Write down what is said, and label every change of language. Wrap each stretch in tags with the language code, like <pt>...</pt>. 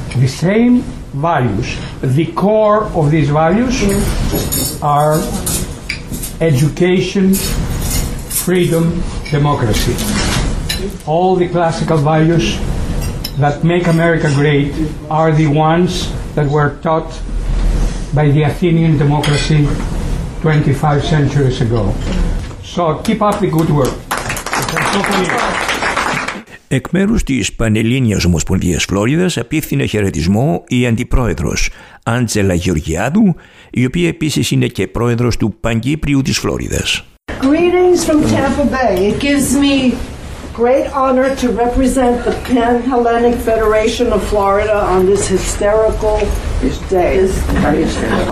<en>The same values, the core of these values are education, freedom, democracy. All the classical values that make America great are the ones that were taught by the Athenian democracy 25 centuries ago. So keep up the good work.</en> <el>Εκ μέρους της Πανελλήνιας Ομοσπονδίας Φλόριδας απίφθινε χαιρετισμό η αντιπρόεδρος Άντζελα Γεωργιάδου, η οποία επίσης είναι και πρόεδρος του Παγκύπριου της Φλόριδας.</el> <en>Greetings from Tampa Bay. It gives me great honor to represent the Pan-Hellenic Federation of Florida on this hysterical day.</en>